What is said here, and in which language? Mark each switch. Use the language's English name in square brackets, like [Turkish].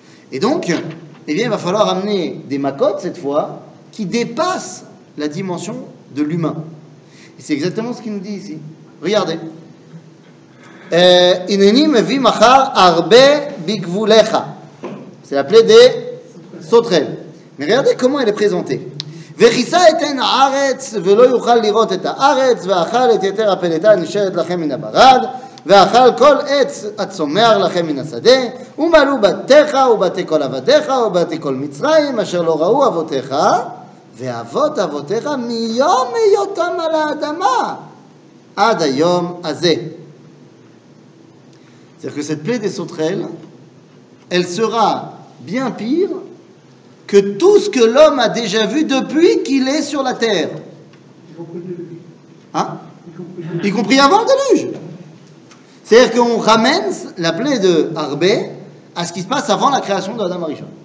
[French] Et donc, eh bien, il va falloir amener des makotes, cette fois, qui dépassent la dimension de l'humain. Et c'est exactement ce qu'il nous dit ici. Regardez. « [Hebrew] Ineni mevi machar arbe bigvulecha [French] » C'est la plaie des sauterelles. Mais regardez comment elle est présentée. [Hebrew] « Vechisa eten aretz velo yuchal lirot et aretz ve'achal et yeter apeleta nisheret lachem min abarad » ואכל כל עץ הצומח לכם מן השדה, ומלאו בתיך ובתי כל עבדיך ובתי כל מצרים, אשר לא ראו אבותיך, ואבות אבותיך מיום היותם על האדמה, עד היום הזה. [French] C'est-à-dire que cette plaie des sauterelles, elle sera bien pire que tout ce que l'homme a déjà vu depuis qu'il est sur la terre. Hein? Y compris avant le déluge. C'est-à-dire qu'on ramène la plaie de Arbé à ce qui se passe avant la création de Adam Arishon.